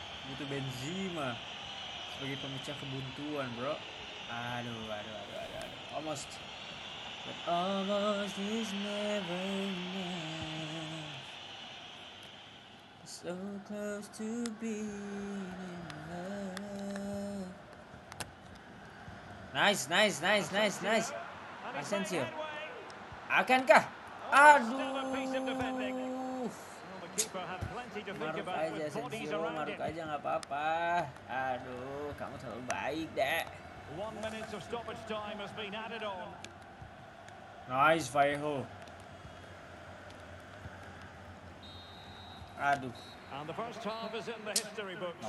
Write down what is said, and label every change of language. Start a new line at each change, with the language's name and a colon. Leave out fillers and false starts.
Indonesian: Butuh Benzema sebagai pemecah kebuntuan, bro.
English: Aduh. Almost. But almost is never enough. So close to being in love.
Indonesian: Nice. Asensio. Akankah? Aduh. Maruk aja Asensio, maruk aja gak apa-apa. Aduh, kamu terlalu baik deh.
English: 1 minute of stoppage time has been added on. Nice, Vallejo.
Indonesian: Aduh.
English: And the first half is in the history books.